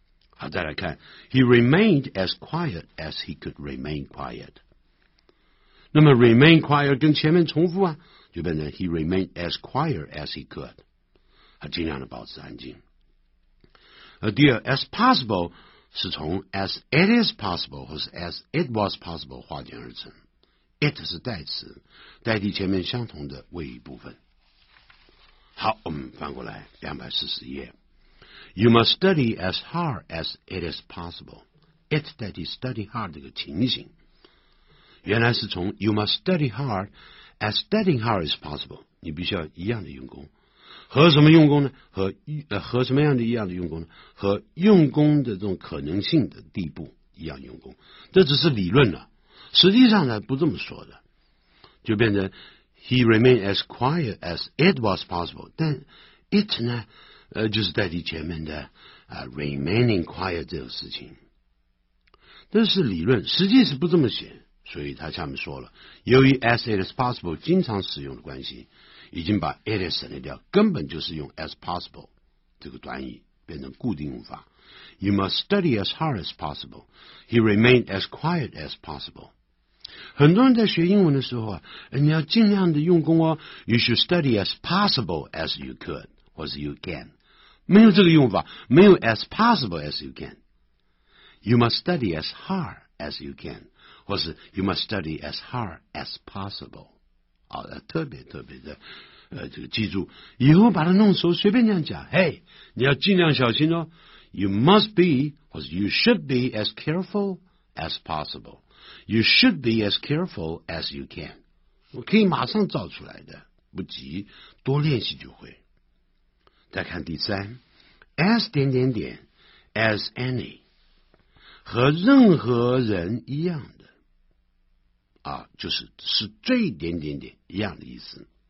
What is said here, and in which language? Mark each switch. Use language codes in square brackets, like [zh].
[zh] 好，再来看 [en] he remained as quiet as he could remain quiet， [zh] 那么 remain quiet 跟前面重复啊，就变成 [en] he remained as quiet as he could， [zh] 他尽量地保持安静。第二， as possible 是从 as it is possible 或是 as it was possible 化简而成。 It 是代词，代替前面相同的谓语部分。好，我们翻过来240页。 [en] You must study as hard as it is possible. [zh] It 代替 study hard 这个情形，原来是从 [en] You must study hard as studying hard is possible. [zh] 你必须要一样的用功，和什么用功呢？和什么样的一样的用功呢？和用功的这种可能性的地步一样用功。这只是理论了。实际上呢，不这么说的，就变成 [en] he remained as quiet as it was possible， [zh] 但 it 呢就是代替前面的remaining quiet 这个事情。这是理论，实际是不这么写，所以他下面说了，由于 as it is possible 经常使用的关系，已经把 it 省略掉，根本就是用 as possible 这个短语，变成固定用法。 [en] You must study as hard as possible. He remained as quiet as possible. [zh] 很多人在学英文的时候啊，你要尽量的用功哦。 [en] You should study as possible as you could, [zh] 或是 [en] you can. [zh] 没有这个用法，没有 [en] as possible as you can. You must study as hard as you can, [zh] 或是 [en] you must study as hard as possible. [zh] 好的，特别特别的这个记住，以后把它弄熟，随便这样讲。嘿，你要尽量小心哦。 [en] You must be, or you should be as careful as possible. You should be as careful as you can. [zh] 我可以马上造出来的，不急，多练习就会。再看第三， as 点点点， as any， 和任何人一样的，就是是最点点点一样的意思。